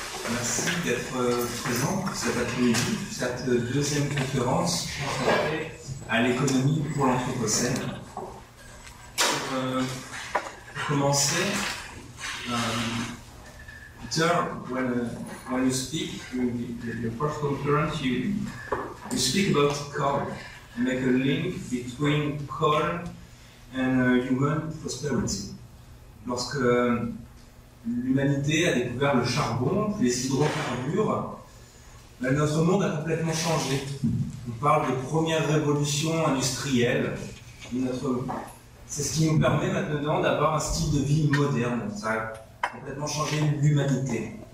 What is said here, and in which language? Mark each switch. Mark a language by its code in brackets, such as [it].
[fr] Merci d'être présents pour cet après-midi, cette deuxième conférence consacrée à l'économie pour l'Anthropocène. Pour commencer, [en] Peter, when you speak in your first conference, you speak about coal, and make a link between coal and human prosperity. [fr] Lorsque l'humanité a découvert le charbon, les hydrocarbures, ben notre monde a complètement changé. On parle de première révolution industrielle. C'est ce qui nous permet maintenant d'avoir un style de vie moderne. Ça a complètement changé l'humanité.